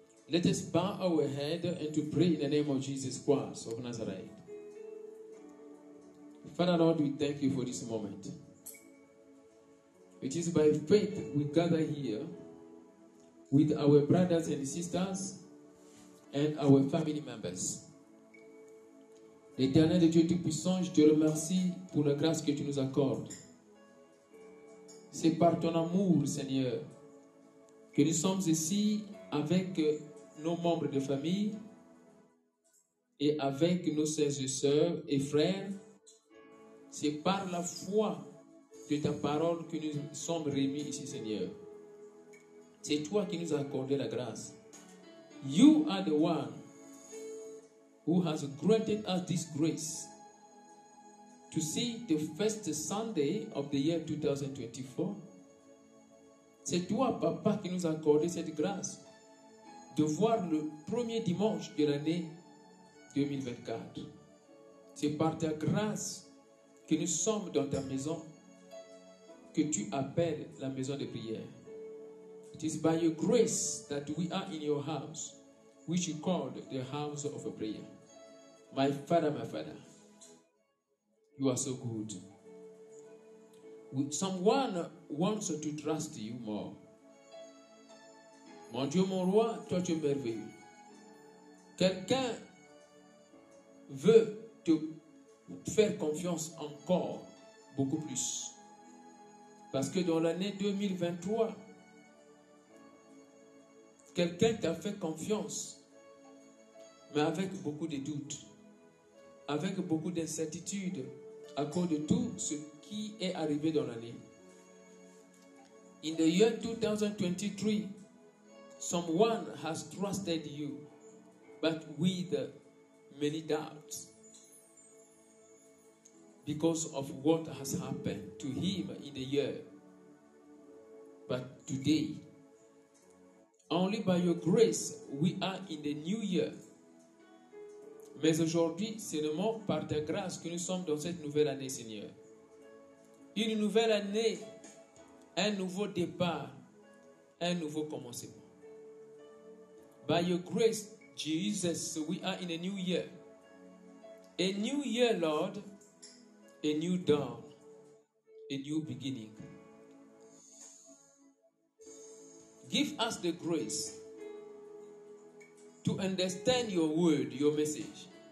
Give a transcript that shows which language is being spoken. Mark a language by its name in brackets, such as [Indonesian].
[English] Let us bow our head and to pray in the name of Jesus Christ of Nazareth. Father Lord, we thank you for this moment. It is by faith we gather here with our brothers and sisters and our family members. [French] L'Éternel de Dieu Tout-Puissant, je te remercie pour la grâce que tu nous accordes. C'est par ton amour, Seigneur, que nous sommes ici avec nos membres de famille et avec nos sœurs et sœurs et frères. C'est par la foi de ta parole que nous sommes réunis ici, Seigneur. C'est toi qui nous as accordé la grâce. [English] You are the one who has granted us this grace to see the first Sunday of the year 2024. [French] C'est toi, Papa, qui nous a accordé cette grâce de voir le premier dimanche de l'année 2024. C'est par ta grâce que nous sommes dans ta maison que tu appelles la maison de prière. [English] It is by your grace that we are in your house, which you called the house of a prayer. My Father, you are so good. Someone wants to trust you more. [French] Mon Dieu, mon roi, toi tu es merveilleux. Quelqu'un veut te faire confiance encore beaucoup plus. Parce que dans l'année 2023, quelqu'un t'a fait confiance, mais avec beaucoup de doutes, avec beaucoup d'incertitudes à cause de tout ce qui est arrivé dans l'année. [English] In the year 2023, someone has trusted you, but with many doubts because of what has happened to him in the year. But today, only by your grace, we are in the new year. [French] Mais aujourd'hui, c'est seulement par ta grâce que nous sommes dans cette nouvelle année, Seigneur. Une nouvelle année, un nouveau départ, un nouveau commencement. [English] By your grace, Jesus, we are in a new year. A new year, Lord, a new dawn, a new beginning. Give us the grace to understand your word, your message.